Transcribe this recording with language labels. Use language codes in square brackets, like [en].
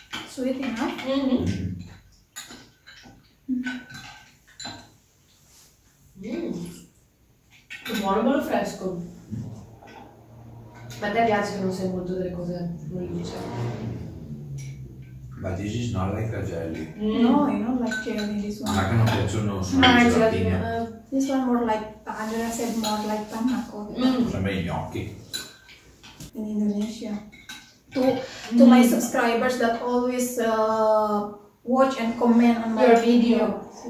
[en] Sweet enough? [it] Che buono, bello fresco. Ma a te piace che non sei molto delle cose dolci. [en] But this is not like a jelly. No, I don't like jelly, this one. [it] Ma che non piace, no, sono di gelatina. [en] This one more like, Andrea said more like panna cotta. [it] Sembra gli gnocchi. [en] In Indonesia. To my subscribers that always watch and comment on my video.